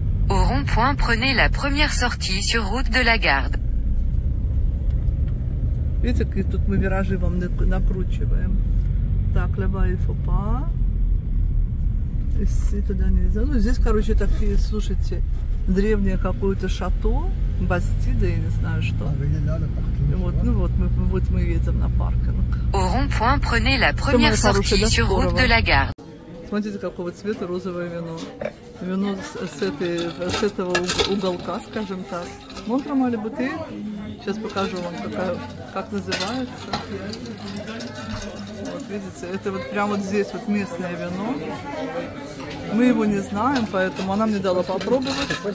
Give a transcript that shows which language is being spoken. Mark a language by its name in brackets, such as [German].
[French] Au rond-point, prenez la première sortie sur route de la garde. [Russian] Видите, какие тут мы виражи вам накручиваем. Так, левая фопа. И туда нельзя. Ну, здесь, короче, такие, слушайте, древнее какое-то шато, бастида, я не знаю что. Вот, ну вот мы едем на паркинг. [French] Au rond-point, prenez la première sortie sur route de la garde. [Russian] Смотрите, какого цвета розовое вино. Вино с этого уголка, скажем так. Монтром или бутыль? Сейчас покажу вам, как называется. Вот, видите, это вот прямо вот здесь вот местное вино. Мы его не знаем, поэтому она мне дала попробовать.